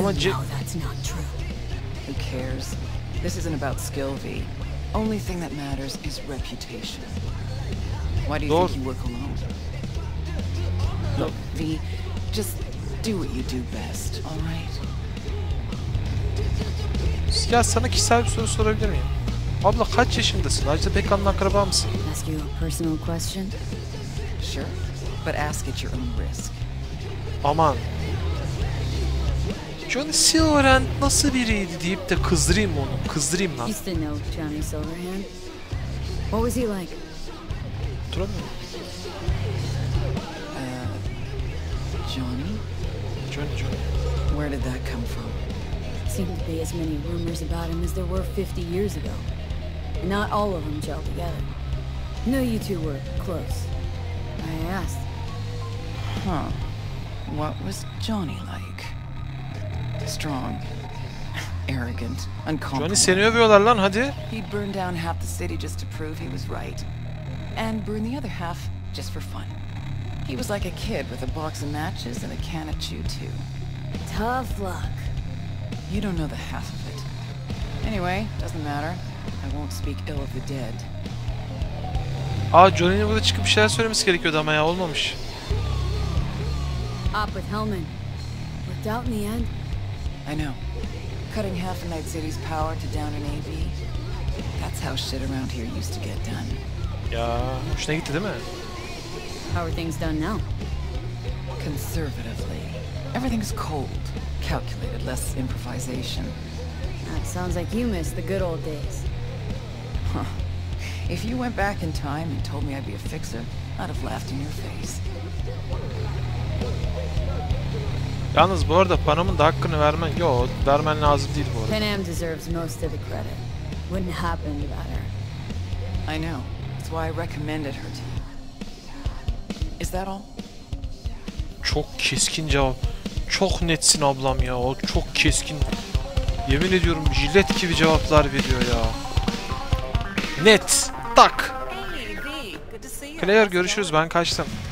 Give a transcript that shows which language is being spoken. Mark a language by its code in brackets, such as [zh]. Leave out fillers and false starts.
[en] no, that's not true. Who cares? This isn't about skill, V. Only thing that matters is reputation. Why do you think you work alone? Look, V, just do what you do best, all right? [tr] Ya sana kişisel bir soru sorabilir miyim? Abla kaç yaşındasın? Ajda Pekkan'ın akraba mısın? [en] Ask you a personal question? Sure, but ask at your own risk. [tr] Aman. Johnny Silverhand nasıl biriydi deyip de kızdırayım onu. Kızdırayım lan. [en] You used to know Johnny Silverhand. What was he like? [tr] Duramıyorum. [en] Johnny? Where did that come from? Seemed to be as many rumors about him as there were 50 years ago. Not all of them gel together. No, you two were close. I asked. Huh. What was Johnny like? Strong. Arrogant. [tr] Johnny seni övüyorlar lan hadi. [en] He'd burn down half the city just to prove he was right. And burn the other half just for fun. He was like a kid with a box of matches and a can of chew too. Tough luck. You don't know the half of it. Anyway, doesn't matter. I won't speak ill of the dead. [tr] Ah, Johnny'nin burada çıkıp bir şeyler söylemesi gerekiyordu ama ya olmamış. [en] Up with Hellman. Worked out in the end. I know. Cutting half of Night City's power to down an AV. That's how shit around here used to get done. [tr] Ya, hoşuna gitti değil mi? [en] How are things done now? Conservatively. Everything's cold. calculated, less improvisation. That sounds like you missed the good old days. Huh. If you went back in time and told me I'd be a fixer, I'd have laughed in your face. [tr] Yalnız bu arada Panam'ın da hakkını vermen... Yo, vermen lazım değil bu arada. [en] Panam deserves most of the credit. Wouldn't happen without her. I know. That's why I recommended her to you. Is that all? [tr] Çok keskin cevap. Çok netsin ablam ya. O çok keskin. Yemin ediyorum jilet gibi cevaplar veriyor ya. Net. Tak. Claire görüşürüz. Ben kaçtım.